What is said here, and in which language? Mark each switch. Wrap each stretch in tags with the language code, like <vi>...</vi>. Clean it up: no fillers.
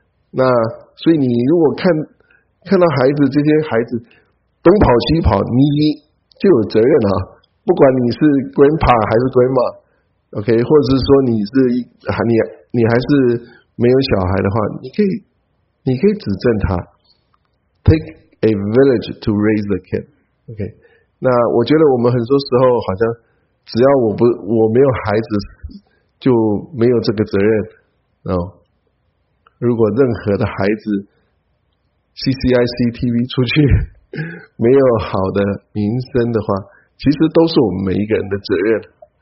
<zh>那所以你如果看到孩子，这些孩子东跑西跑，你就有责任哈。不管你是 grandpa 还是 grandma, OK, 或者是说你还是没有小孩的话，你可以指正他。</zh> <en>Take a village to raise the kid, OK。</en> <zh>那我觉得我们很多时候好像只要我没有孩子就没有这个责任。 No, 如果任何的孩子 CCICTV 出去没有好的名声的话，其实都是我们每一个人的责任。</zh>